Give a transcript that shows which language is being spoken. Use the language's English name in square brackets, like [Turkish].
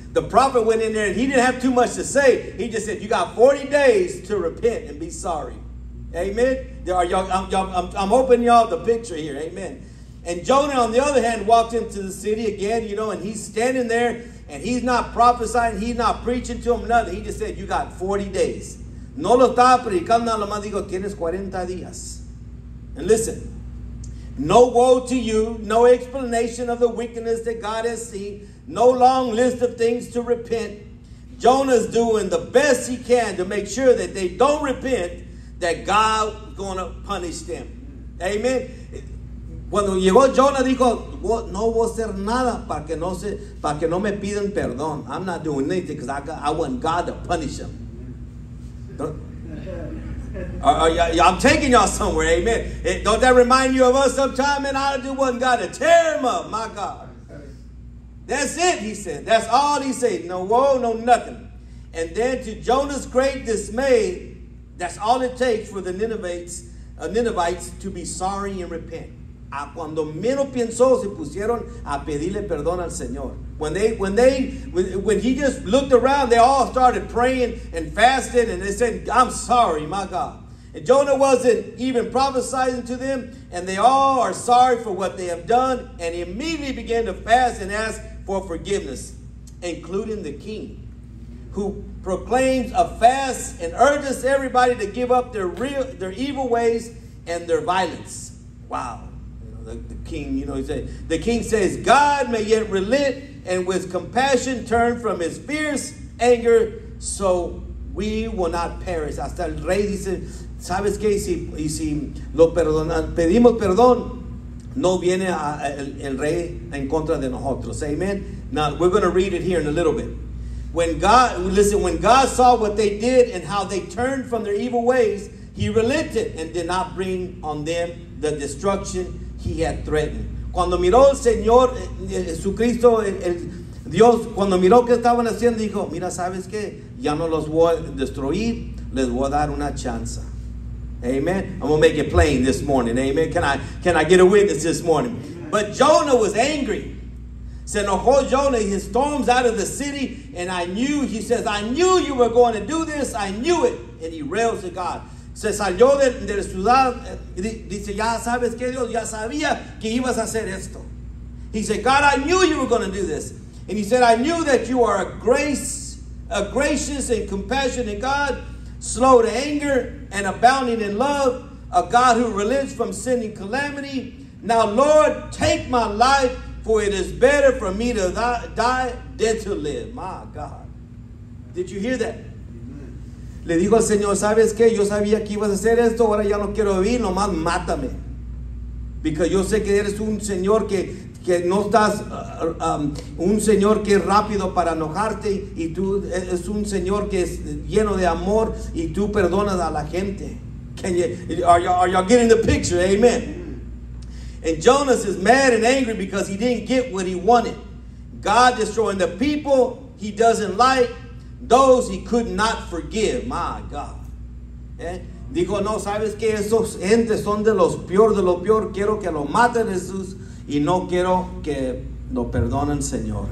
[English] The prophet went in there and he didn't have too much to say. He just said, you got 40 days to repent and be sorry. Amen. I'm hoping y'all the picture here. Amen. And Jonah, on the other hand, walked into the city again, you know, and he's standing there and he's not prophesying. He's not preaching to him nothing. He just said, you got 40 days. [Spanish] No lo estaba predicando, nada más digo, tienes 40 días. [English] And listen. No woe to you, no explanation of the wickedness that God has seen, no long list of things to repent. Jonah's doing the best he can to make sure that they don't repent, that God's going to punish them. Amen. [Spanish] Cuando llegó Jonah, dijo, no voy a hacer nada para que no me pidan perdón. [English] I'm not doing anything because I want God to punish them. I'm taking y'all somewhere, amen. Don't that remind you of us sometime? And I do want God to tear him up, my God. That's it, he said. That's all he said. No woe, no nothing. And then to Jonah's great dismay, that's all it takes for the Ninevites to be sorry and repent. [Spanish] A cuando menos pensó, se pusieron a pedirle perdón al Señor. [English] When he just looked around, they all started praying and fasting, and they said, I'm sorry, my God. And Jonah wasn't even prophesying to them, and they all are sorry for what they have done, and immediately began to fast and ask for forgiveness, including the king, who proclaims a fast and urges everybody to give up their evil ways and their violence. Wow. The king, you know, the king says, God may yet relent and with compassion turn from his fierce anger so We will not perish. [Spanish] Hasta el rey dice, ¿sabes qué? Y si lo perdonan, pedimos perdón, no viene el rey en contra de nosotros. [English] Amen. Now we're going to read it here in a little bit. When God saw what they did and how they turned from their evil ways, he relented and did not bring on them the destruction he had threatened. [Spanish] Cuando miró el Señor Jesucristo, el Dios, cuando miró que estaban haciendo, dijo, mira, ¿sabes qué? Ya no los voy a destruir, les voy a dar una chance. [English] Amen. I'm going to make it plain this morning. Amen. Can I get a witness this morning? But Jonah was angry. [Spanish] Se enojó Jonah, [English] he storms out of the city, and I knew, he says, I knew you were going to do this, I knew it, and he rails at God. [Spanish] Se salió de la ciudad, dice, ya sabes que Dios, ya sabía que ibas a hacer esto. [English] He said, God, I knew you were going to do this. And he said, I knew that you are a gracious and compassionate God, slow to anger and abounding in love, a God who relents from sin and calamity. Now, Lord, take my life, for it is better for me to die than to live. My God. Did you hear that? [Spanish] Le dijo al Señor, ¿sabes qué? Yo sabía que ibas a hacer esto, ahora ya no quiero vivir, nomás mátame. Because yo sé que eres un Señor que no estás, un Señor que es rápido para enojarte, y tú es un Señor que es lleno de amor, y tú perdonas a la gente. [English] Are y'all getting the picture? Amen. And Jonas is mad and angry because he didn't get what he wanted. God destroying the people he doesn't like, those he could not forgive. My God. [Spanish] ¿Eh? Dijo, no, ¿sabes qué? Esos gentes son de los peor, quiero que lo maten Jesús y no quiero que lo perdonen, Señor.